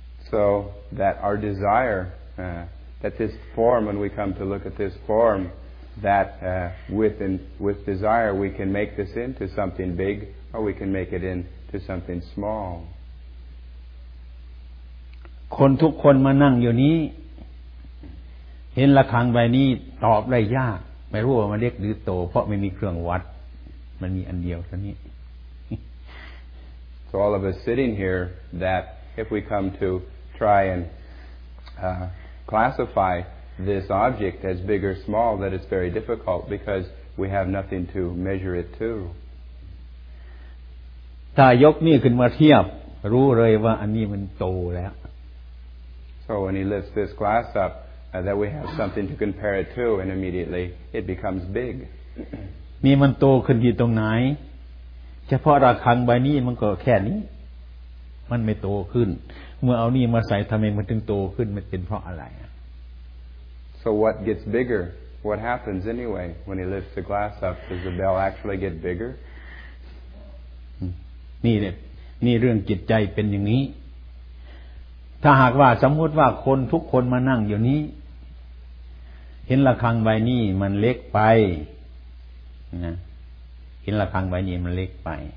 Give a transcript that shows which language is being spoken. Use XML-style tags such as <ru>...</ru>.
<en>So that our desire, that this form, when we come to look at this form, that with desire we can make this into something big, or we can make it into something small.</en> <th>คนทุกคนมานั่งอยู่นี้เห็นระฆังใบนี้ตอบได้ยากไม่รู้ว่ามันเล็กหรือโตเพราะไม่มีเครื่องวัดมันมีอันเดียวเท่านี้</th> <en>So all of us sitting here, that if we come to try and classify this object as big or small that it's very difficult because we have nothing to measure it to</en> <th>ถ้ายกนี่ขึ้นมาเทียบรู้เลยว่าอันนี้มันโตแล้ว</th> <en>So when he lifts this glass up that we have something to compare it to and immediately it becomes big</en> <th>นี่มันโตขึ้นที่ตรงไหนเฉพาะระฆังใบนี้มันก็แค่นี้มันไม่โตขึ้นเมื่อเอานี่มาใส่ทำไมมันถึงโตขึ้นมันเป็นเพราะอะไร</th> <en>So what gets bigger? What happens anyway when he lifts the glass up? Does the bell actually get bigger?</en> <th>นี่เด็ดนี่เรื่องจิตใจเป็นอย่างนี้ถ้าหากว่าสมมติว่าคนทุกคนมานั่งอยู่นี้เห็นระฆังใบนี้มันเล็กไปนะเห็นระฆังใบนี้มันเล็กไป</th>